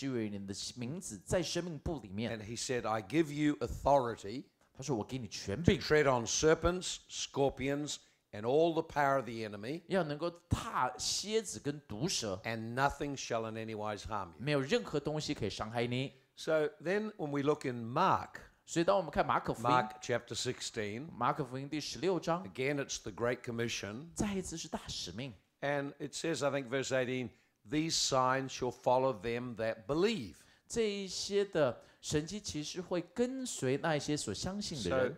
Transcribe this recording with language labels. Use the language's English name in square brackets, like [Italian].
[Chinese] 他说你不要只开心邪灵跑出来,你要开心是因为你的名字在生命簿里面。 [English] And he said, I give you authority, [Chinese] 他说我给你权柄, [English] to tread on serpents, scorpions, and all the power of the enemy, [Chinese] 要能够踏蝎子跟毒蛇, [English] and nothing shall in any wise harm you. [Chinese] 没有任何东西可以伤害你。 [English] So then when we look in Mark, Mark chapter 16, [Chinese] Mark福音第16章, [English] again it's the Great Commission, [Chinese] 再一次是大使命, [English] and it says, I think verse 18, these signs shall follow them that believe. [Chinese] 这一些的神迹其实会跟随那些所相信的人。